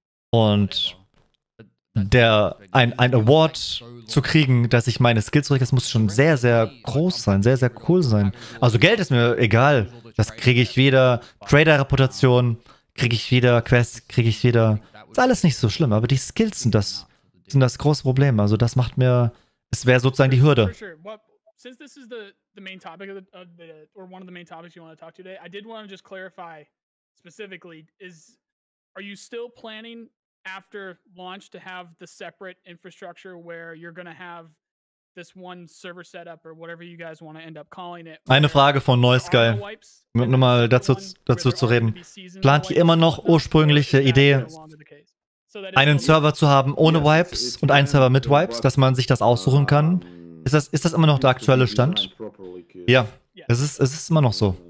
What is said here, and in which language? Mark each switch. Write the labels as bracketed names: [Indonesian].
[German] Und ein Award zu kriegen, dass ich meine Skills zurück, das muss schon sehr, sehr groß sein, sehr, sehr cool sein. Also Geld ist mir egal, das kriege ich wieder. Trader-Reputation kriege ich wieder, Quests kriege ich wieder. Ist alles nicht so schlimm, aber die Skills sind das große Problem. Also das macht mir, es wäre sozusagen die Hürde. [English] Since this is the main topic one of the main topics you want to talk today, I did want to just clarify specifically, are you still planning after launch to have the separate infrastructure where you're going to have this one server setup or whatever you guys want to end up calling it? [German] Eine Frage von Noise Guy, nur mal dazu zu reden. Plant ihr immer noch ursprüngliche Idee, einen Server zu haben ohne Wipes und einen Server mit Wipes, dass man sich das aussuchen kann? Ist das immer noch der aktuelle Stand? Ja, es ist immer noch so.